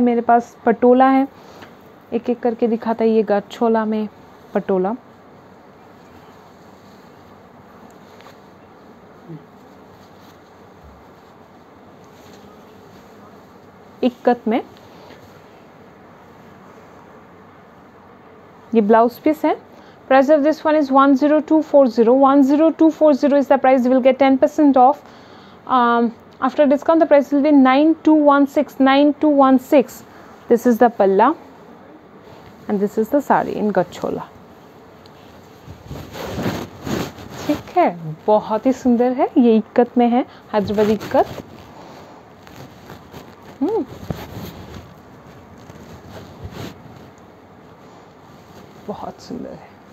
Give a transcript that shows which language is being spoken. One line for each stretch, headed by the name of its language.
Hindi: मेरे पास पटोला है, एक एक करके दिखाता है। ये गठछोला में पटोला, इक्कत में ये ब्लाउज पीस है।
English: Price of this one is 10240. 10240 is the price. You will get 10% off. After discount, the price will be 9216. 9216. This is the palla, and this is the sari in gachola.
Hindi: ठीक है, बहुत ही सुंदर है। ये इक्कत में है, हैदराबादी इक्कत। बहुत सुंदर है।